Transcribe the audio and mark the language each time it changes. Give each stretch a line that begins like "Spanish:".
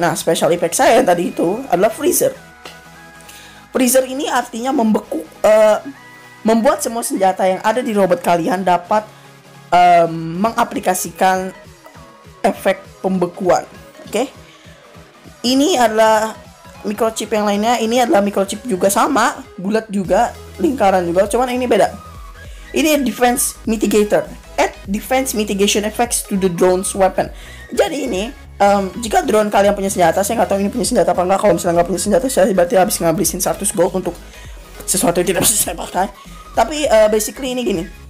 Indonesian: Nah, special effect saya tadi itu adalah freezer. Freezer ini artinya membeku, membuat semua senjata yang ada di robot kalian dapat mengaplikasikan efek pembekuan. Oke. Okay? Ini adalah microchip yang lainnya. Ini adalah microchip juga sama, bulat juga, lingkaran juga, cuman ini beda. Ini defense mitigator.
English: Add defense mitigation effects to the drone's weapon.
Indonesian: Jadi ini jika drone kalian punya senjata, saya nggak tahu ini punya senjata apa enggak. Kalau misalnya nggak punya senjata, saya berarti habis ngabisin 100 gold untuk sesuatu yang tidak bisa saya pakai. Tapi basically ini gini.